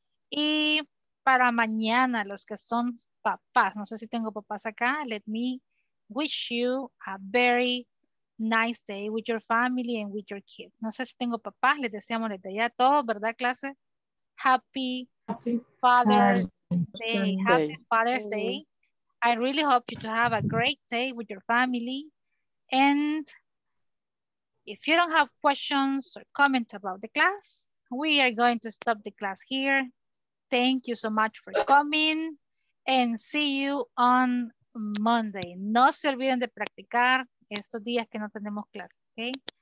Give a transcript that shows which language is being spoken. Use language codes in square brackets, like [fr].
[es] Y para mañana, los que son papás, no sé si tengo papás acá, [en] let me wish you a very nice day with your family and with your kids. [es] No sé si tengo papás, les deseamos desde ya todo, ¿verdad, clase? [en] Happy Father's Day. Happy Father's Day. I really hope you to have a great day with your family. And if you don't have questions or comments about the class, we are going to stop the class here. Thank you so much for coming and see you on Monday. [es] No se olviden de practicar estos días que no tenemos clase, okay?